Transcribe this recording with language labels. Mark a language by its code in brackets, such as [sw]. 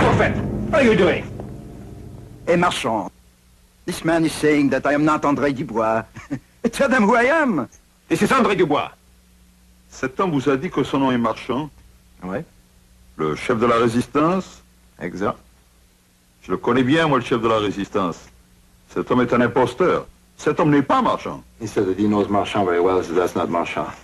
[en] What are you doing? Hey, Marchand. This man is saying that I am not André Dubois. Tell them who I am. This is André Dubois. [fr] Cet homme vous a dit que son nom est Marchand? Oui. Le chef de la résistance? Exact. Je le connais bien, moi, le chef de la résistance. Cet homme est un imposteur. Cet homme n'est pas Marchand. [en] He said that he knows Marchand very well, so that's not Marchand.